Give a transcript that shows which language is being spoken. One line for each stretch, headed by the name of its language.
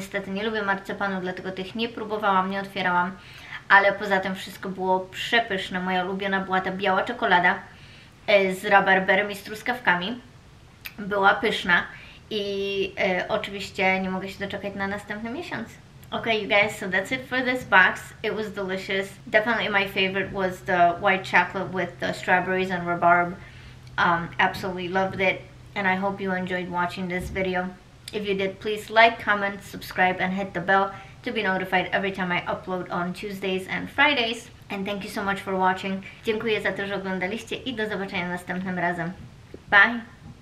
Polish: Niestety nie lubię marcepanu, dlatego tych nie próbowałam, nie otwierałam. Ale poza tym wszystko było przepyszne. Moja ulubiona była ta biała czekolada z rabarberem i z truskawkami. Była pyszna. I oczywiście nie mogę się doczekać na następny miesiąc.
English: Okay, you guys, so that's it for this box. It was delicious. Definitely my favorite was the white chocolate with the strawberries and rhubarb. Absolutely loved it. And I hope you enjoyed watching this video. If you did, please like, comment, subscribe, and hit the bell to be notified every time I upload on Tuesdays and Fridays. And thank you so much for watching.
Polish: Dziękuję za to, że oglądaliście I do zobaczenia następnym razem.
English: Bye!